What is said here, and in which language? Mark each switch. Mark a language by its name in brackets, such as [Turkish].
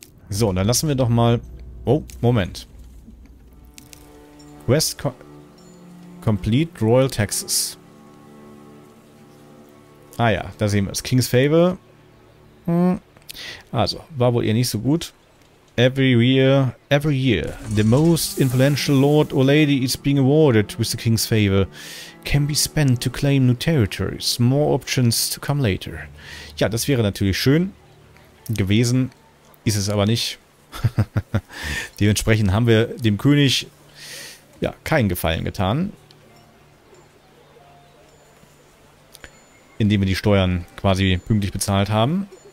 [German] So, dann lassen wir doch mal... Oh, Moment. Quest Complete Royal Taxes. Ah ja, da sehen wir es. King's Favor. Also, war wohl eher nicht so gut. [English] Every year, the most influential lord or lady is being awarded with the king's favor, can be spent to claim new territories, more options to come later. [German] Ja, das wäre natürlich schön gewesen, ist es aber nicht. Dementsprechend haben wir dem König ja keinen Gefallen getan, indem wir die Steuern quasi pünktlich bezahlt haben.